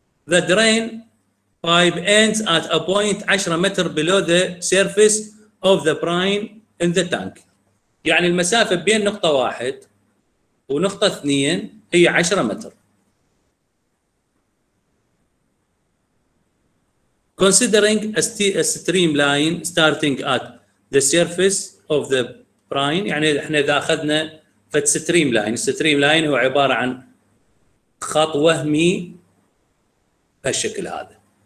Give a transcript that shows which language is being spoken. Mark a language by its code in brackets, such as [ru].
[en] The drain pipe ends at a point 10 metre below the surface of the brine in the tank. [ar] يعني المسافة بين نقطة 1 ونقطة 2 هي 10 متر. [en] Considering a streamline starting at the surface of the brine. [ar] يعني احنا اذا اخذنا فت streamline. Streamline هو عبارة عن خط وهمي بهالشكل هذا.